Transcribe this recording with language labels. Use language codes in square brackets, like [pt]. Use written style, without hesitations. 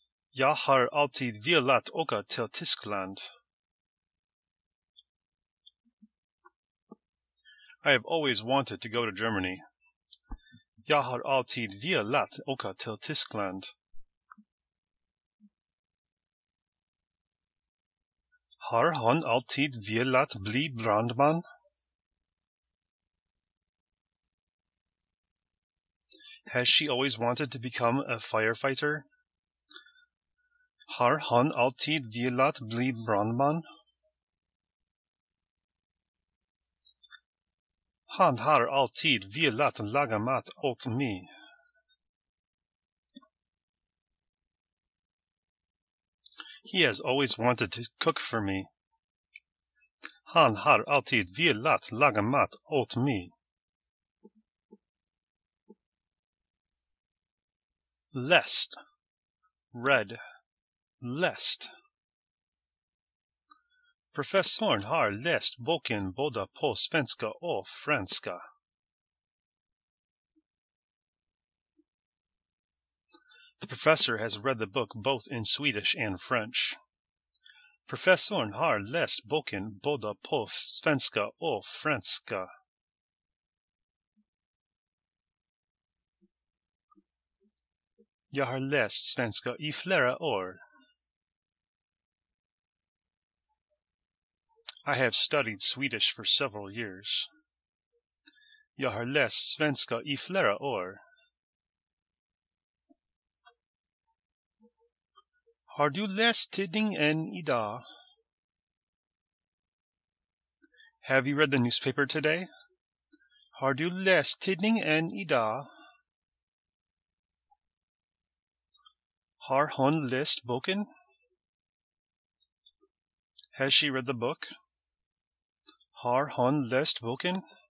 [sv] Jag har alltid velat åka till Tyskland. [en] I have always wanted to go to Germany. [sv] Jag har alltid velat åka till Tyskland. Har han alltid velat bli brandman? [en] Has she always wanted to become a firefighter? [sv] Har han alltid velat bli brandman? Han har alltid velat laga mat åt mig. [en] He has always wanted to cook for me. [sv] Han har alltid velat laga mat åt mig. Läst. Read. Läst. Professorn har läst boken både på svenska och franska. [en] The professor has read the book both in Swedish and French. [sv] Professorn har läst boken både på svenska och franska. Jag har läst svenska i flera år. [en] I have studied Swedish for several years. [sv] Jag har läst svenska i flera år. Har du läst tidningen idag? [en] Have you read the newspaper today? [sv] Har du läst tidningen idag? Har hon läst boken? [en] Has she read the book? [sv] Har hon läst boken?